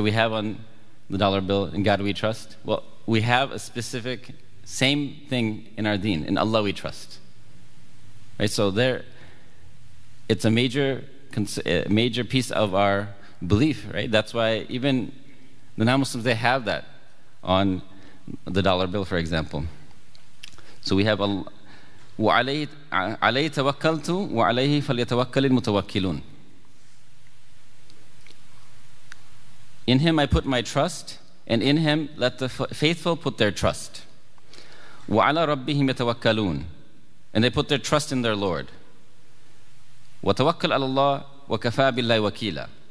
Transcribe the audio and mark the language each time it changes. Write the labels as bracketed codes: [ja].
[en] We have on the dollar bill, in God we trust. Well, we have a specific same thing in our deen. In Allah we trust. Right? So there, it's a major, major piece of our belief, right? That's why even the non-Muslims, they have that on the dollar bill, for example. So we have [ar] وَعَلَيْهِ تَوَكَّلْتُ وَعَلَيْهِ فَلْيَتَوَكَّلِ الْمُتَوَكِّلُونَ. [en] In him I put my trust, and in him let the faithful put their trust. [ar] وَعَلَى رَبِّهِمْ يَتَوَكَّلُونَ. [en] And they put their trust in their Lord. [ar] وَتَوَكَّلْ عَلَى اللَّهِ وَكَفَى بِاللَّهِ وَكِيلًا.